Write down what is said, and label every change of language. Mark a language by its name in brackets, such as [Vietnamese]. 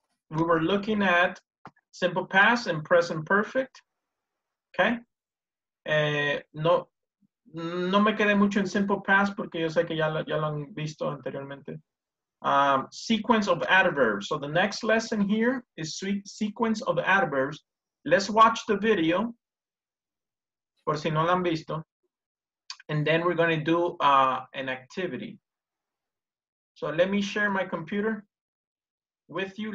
[English] We were looking at simple past and present perfect. Okay. [Spanish] No me quedé mucho en simple past porque yo sé que ya lo han visto anteriormente. [English] Sequence of adverbs. So the next lesson here is sequence of adverbs. Let's watch the video, [Spanish] por si no lo han visto, [English] and then we're going to do an activity. So let me share my computer with you.